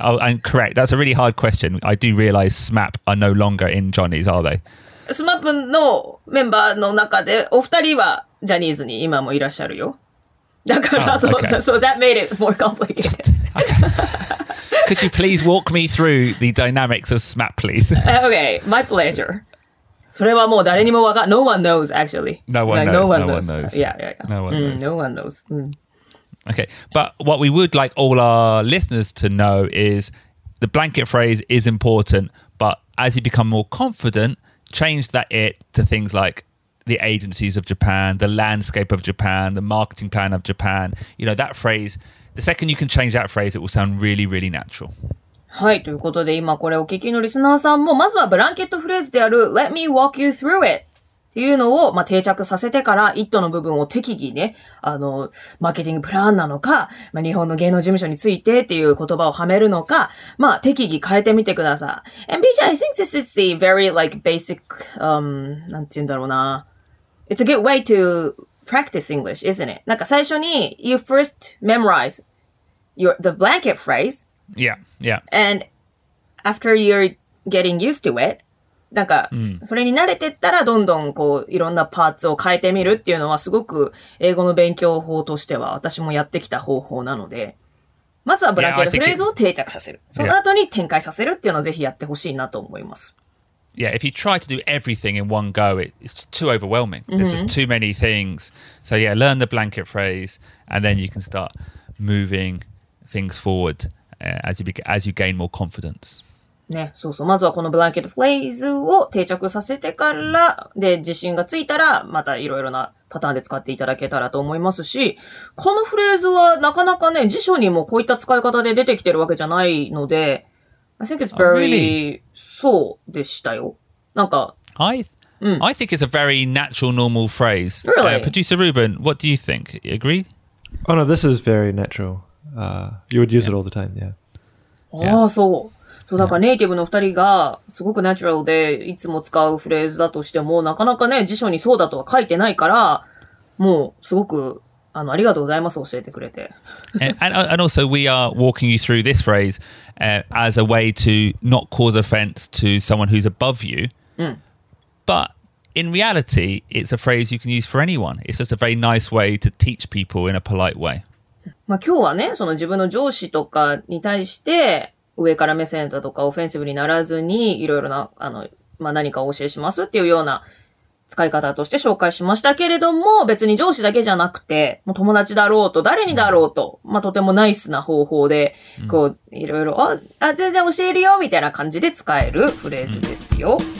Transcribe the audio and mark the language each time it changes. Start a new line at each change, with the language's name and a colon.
English: Oh, and correct. That's a really hard question. I do realize SMAP are no longer in Johnny's, are they?
Japanese: スマップのメンバーの中で、お二人はジャニーズに今もいらっしゃるよ。だから、そう、そう、
English: that made it more complicated. Just, okay. Could you please walk me through the dynamics of SMAP, please? Okay, my pleasure.
Japanese: それはもう誰にもわかん、
English: no one knows, actually. No one knows. Yeah. No one knows. Okay, but what we would like all our listeners to know is the blanket phrase is important, but as you become more confident, change that it to things like the agencies of Japan, the landscape of Japan, the marketing plan of Japan. You know, that phrase, the second you can change that phrase, it will sound really, really natural.
Japanese: はい、ということで今これお聞きのリスナーさんも、まずはブランケットフレーズである
English: Let me walk you through it
Japanese: っていうのを、まあ、定着させてから it の部分を適宜ね、あのマーケティングプランなのか、まあ、日本の芸能事務所についてっていう言葉をはめるのか、まあ適宜変えてみてください。
English: And BJ, I think this is the very like basic
Japanese: なんて言うんだろうな、
English: It's a good way to practice English, isn't it?
Japanese: なんか最初に
English: You first memorize the blanket phrase Yeah, yeah. And after you're getting used to it,
Japanese: なんか、それに慣れてったら、どんどんこう、いろんなパーツを変えてみるっていうのは、すごく英語の勉強法としては、私もやってきた方法なので、まずはブランケットフレーズを定着させる。その後に展開させるっていうのをぜひやってほしいなと思います。
English: Yeah, if you try to do everything in one go, it's too overwhelming. There's just too many things. So yeah, learn the blanket phrase, and then you can start moving things forward. As you gain more confidence.
Japanese: ね、そうそう。まずはこのブランケットフレーズを定着させてから、で、自信がついたら、またいろいろなパターンで使っていただけたらと思いますし、このフレーズはなかなかね、辞書にもこういった使い方で出てきてるわけじゃないので、
English: I think it's very、 really?
Japanese: そうでしたよ。なんか、
English: I think it's a very natural, normal phrase. Really?、 Producer Ruben, what do you think? You agree? Oh no, this is very natural. You would use it all the time, yeah.
Japanese: ああ、そう。そう、だからネイティブの二人がすごくナチュラルでいつも使うフレーズだとしても、なかなかね、辞書にそうだとは書いてないから、もう、すごく、ありがとうございます、教えてくれて。
English: And also, we are walking you through this phrase, as a way to not cause offense to someone who's above you. But in reality, it's a phrase you can use for anyone. It's just a very nice way to teach people in a polite way.
Japanese: まあ、今日はね、その自分の上司とかに対して、上から目線だとか、オフェンシブにならずに、いろいろな、まあ、何かを教えしますっていうような使い方として紹介しましたけれども、別に上司だけじゃなくて、もう友達だろうと、誰にだろうと、まあ、とてもナイスな方法で、こう、いろいろ、あ、全然教えるよ、みたいな感じで使えるフレーズですよ。